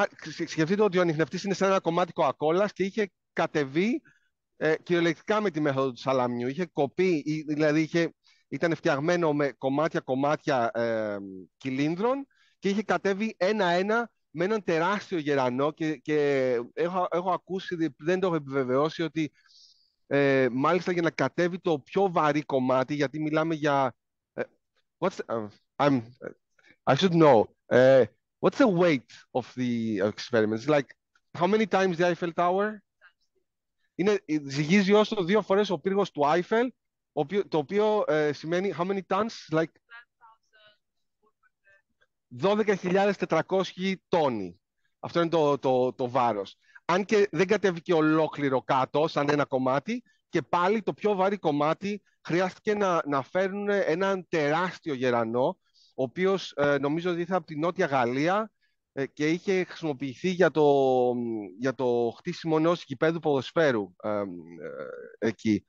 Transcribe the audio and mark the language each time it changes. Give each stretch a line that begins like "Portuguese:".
Greek: σκεφτείτε ότι ο ανιχνευτής είναι σε ένα κομμάτικο ακόλας και είχε κατεβεί κυριολεκτικά με τη μέθοδο του σαλάμιου, είχε κοπεί, δηλαδή ήταν φτιαγμένο με κομμάτια-κομμάτια κυλίνδρων, και είχε κατέβει ένα-ένα με έναν τεράστιο γερανό, και έχω ακούσει, δεν το έχω επιβεβαιώσει, ότι μάλιστα για να κατέβει το πιο βαρύ κομμάτι, γιατί μιλάμε για...
English: I should know. What's the weight of the experiments? Like, how many times the Eiffel Tower?
Greek: Ζυγίζει όσο δύο φορές ο πύργος του Eiffel, το οποίο σημαίνει
English: how many tons, like
Greek: 12.400 τόνοι. Αυτό είναι το βάρος. Αν και δεν κατέβηκε ολόκληρο κάτω σαν ένα κομμάτι, και πάλι το πιο βαρύ κομμάτι χρειάστηκε να φέρουν έναν τεράστιο γερανό, ο οποίος νομίζω ότι ήρθε από τη Νότια Γαλλία και είχε χρησιμοποιηθεί για το χτίσιμο ενός γηπέδου ποδοσφαίρου εκεί.